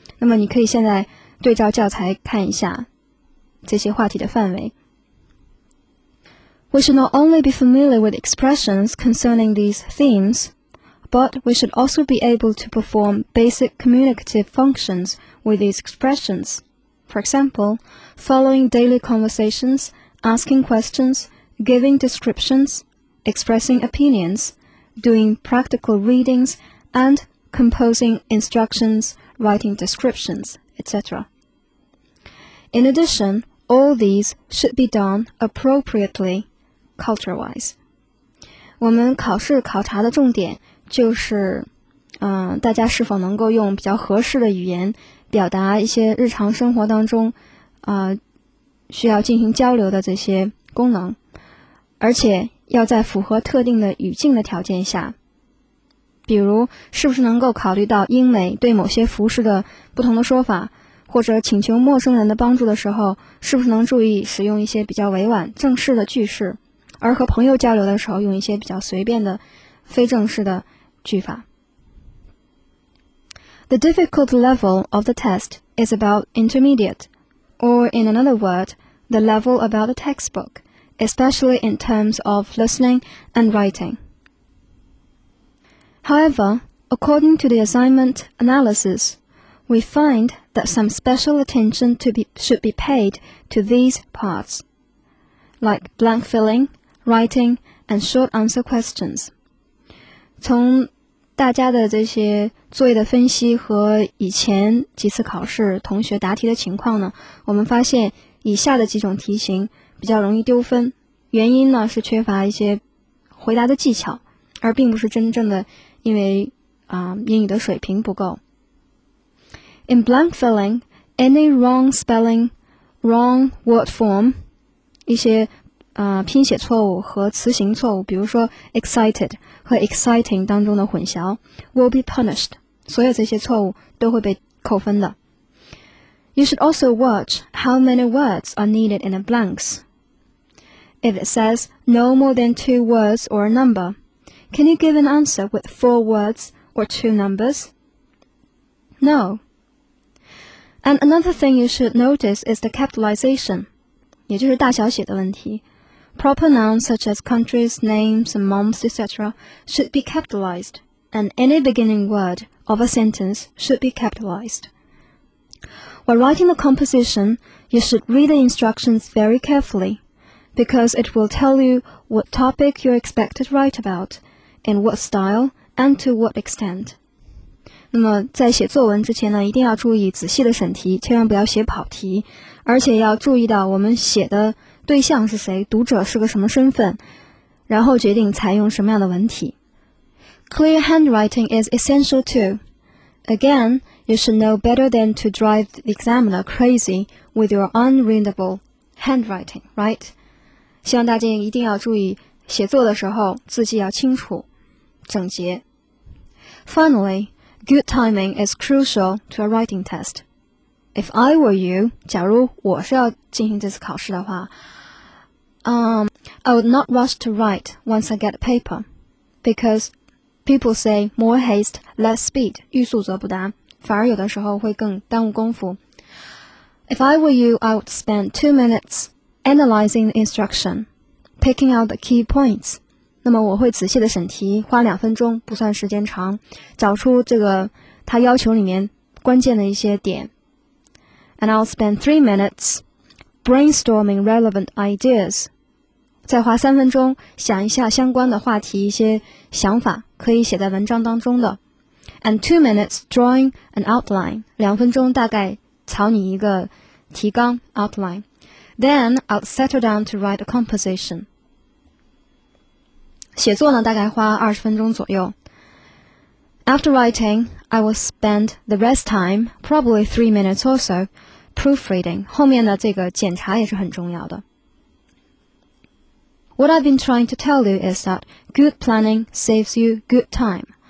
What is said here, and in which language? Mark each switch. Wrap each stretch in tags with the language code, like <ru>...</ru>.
<zh>那么你可以现在对照教材看一下这些话题的范围。</zh> <en>We should not only be familiar with expressions concerning these themes, but we should also be able to perform basic communicative functions with these expressionsFor example, following daily conversations, asking questions, giving descriptions, expressing opinions, doing practical readings, and composing instructions, writing descriptions, etc. In addition, all these should be done appropriately, culture-wise.</en> <zh>我们考试考察的重点就是大家是否能够用比较合适的语言表达一些日常生活当中需要进行交流的这些功能，而且要在符合特定的语境的条件下，比如是不是能够考虑到英美对某些服饰的不同的说法，或者请求陌生人的帮助的时候是不是能注意使用一些比较委婉正式的句式，而和朋友交流的时候用一些比较随便的非正式的句法。</zh> <en>The difficult level of the test is about intermediate, or in another word, the level about the textbook, especially in terms of listening and writing. However, according to the assignment analysis, we find that some special attention should be paid to these parts, like blank filling, writing, and short answer questions.</en> <zh>从大家的这些作业的分析和以前几次考试同学答题的情况呢，我们发现以下的几种题型比较容易丢分，原因呢是缺乏一些回答的技巧，而并不是真正的因为英语的水平不够。</zh> <en>In blank filling, any wrong spelling, wrong word form,</en> <zh>一些拼写错误和词形错误，比如说 excited 和 exciting 当中的混淆</zh> <en>will be punished.</en> <zh>所有这些错误都会被扣分的。</zh> <en>You should also watch how many words are needed in the blanks. If it says no more than two words or a number, can you give an answer with four words or two numbers? No. And another thing you should notice is the capitalization,</en> <zh>也就是大小写的问题。</zh> <en>Proper nouns such as countries, names, and months, etc. should be capitalized, and any beginning word of a sentence should be capitalized. While writing the composition, you should read the instructions very carefully, because it will tell you what topic you're expected to write about, in what style, and to what extent.</en> <zh>那么在写作文之前呢，一定要注意仔细的审题，千万不要写跑题，而且要注意到我们写的对象是谁，读者是个什么身份，然后决定采用什么样的文体。</zh> <en>Clear handwriting is essential too. Again, you should know better than to drive the examiner crazy with your unreadable handwriting, right?</en> <zh>希望大家一定要注意写作的时候字迹要清楚、整洁。</zh> <en>Finally,Good timing is crucial to a writing test. If I were you,</en> <zh>假如我是要进行这次考试的话、</zh> <en>I would not rush to write once I get a paper, because people say more haste, less speed,</en> <zh>欲速则不达，反而有的时候会更耽误功夫。</zh> <en>If I were you, I would spend 2 minutes analyzing the instruction, picking out the key points.</en> <zh>那么我会仔细的审题，花2分钟不算时间长，找出这个他要求里面关键的一些点。</zh> <en>And I'll spend 3 minutes brainstorming relevant ideas.</en> <zh>再花3分钟想一下相关的话题，一些想法可以写在文章当中的。</zh> <en>And 2 minutes drawing an outline.</en> <zh>2分钟大概草拟一个提纲 outline.</zh> <en>Then I'll settle down to write a composition.</en> <zh>写作呢大概花20分钟左右。</zh> <en>After writing, I will spend the rest time, probably 3 minutes or so, proofreading.</en> <zh>后面的这个检查也是很重要的。</zh> <en>What I've been trying to tell you is that good planning saves you good time.</en>